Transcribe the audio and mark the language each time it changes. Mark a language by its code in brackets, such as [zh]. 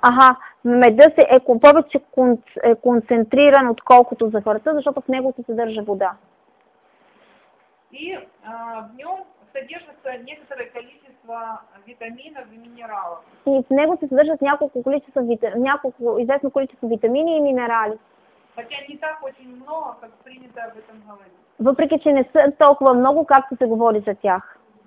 [bg] Ага, медът е повече концентриран, отколкото захарта, защото в него се съдържа вода. [ru] И в нем содержится некоторое количество витаминов и минералов. [bg] И в него се съдържат няколко известно количество витамини и минерали. [ru] Хотя не так очень много, как принято об этом говорить. [bg] Въпреки, че не са толкова много, както се говори за тях.